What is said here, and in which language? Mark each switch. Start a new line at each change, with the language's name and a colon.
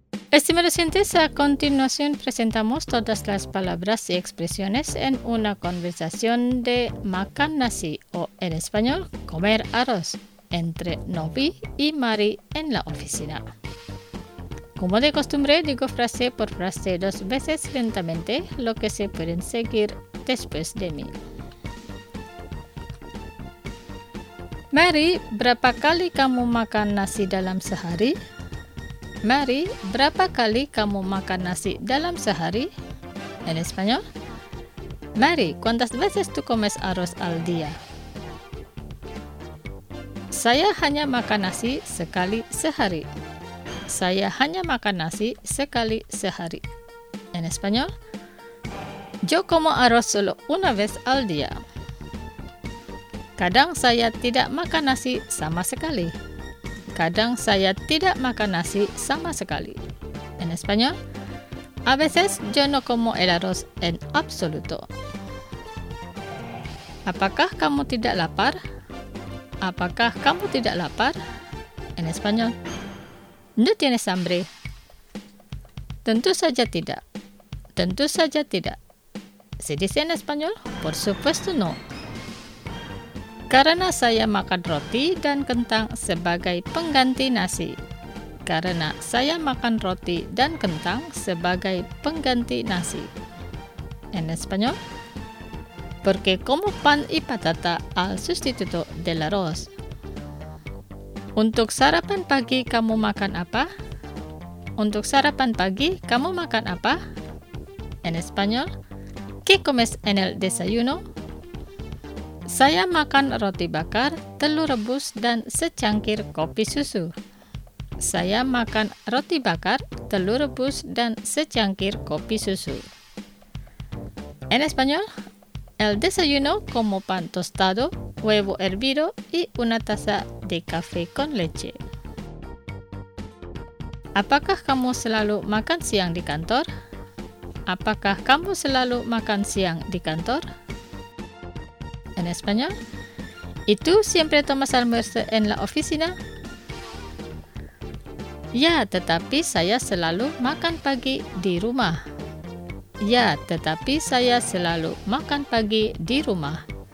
Spanish: Estimados oyentes, a continuación presentamos todas las palabras y expresiones en una conversación de
Indonesian: makan nasi,
Spanish: o en español, comer arroz, entre Novi y Mari en la oficina. Como de costumbre, digo frase por frase dos veces lentamente, lo que se pueden seguir después de mí.
Indonesian: Mari, ¿berapa kali kamu makan nasi dalam sehari? Mari, berapa kali kamu makan nasi dalam sehari?
Spanish: En español. Mari, ¿cuántas veces tú comes arroz al día?
Indonesian: Saya hanya makan nasi sekali sehari. Saya hanya makan nasi sekali sehari.
Spanish: En español. Yo como arroz solo una vez al día.
Indonesian: Kadang saya tidak makan nasi sama sekali. Kadang saya tidak makan nasi sama sekali.
Spanish: En español, a veces yo no como el arroz en absoluto.
Indonesian: Apakah kamu tidak lapar? Apakah kamu tidak lapar?
Spanish: En español, no tienes hambre.
Indonesian: Tentu saja tidak. Tentu saja tidak.
Spanish: Se dice en español, por supuesto no.
Indonesian: karena saya makan roti dan kentang sebagai pengganti nasi. Karena saya makan roti dan kentang sebagai pengganti nasi.
Spanish: En español. Porque como pan y patata al sustituto del arroz.
Indonesian: Untuk sarapan pagi kamu makan apa? Untuk sarapan pagi kamu makan apa?
Spanish: En español. ¿Qué comes en el desayuno?
Indonesian: Saya makan roti bakar, telur rebus, dan secangkir kopi susu. Saya makan roti bakar, telur rebus, dan secangkir kopi susu.
Spanish: En español, el desayuno como pan tostado, huevo hervido y una taza de café con leche.
Indonesian: Apakah kamu selalu makan siang di kantor? Apakah kamu selalu makan siang di kantor?
Spanish: En español, ¿y tú siempre tomas almuerzo en la oficina?
Indonesian: Ya, tetapi saya selalu makan pagi di rumah. Ya, tetapi saya selalu makan pagi di rumah.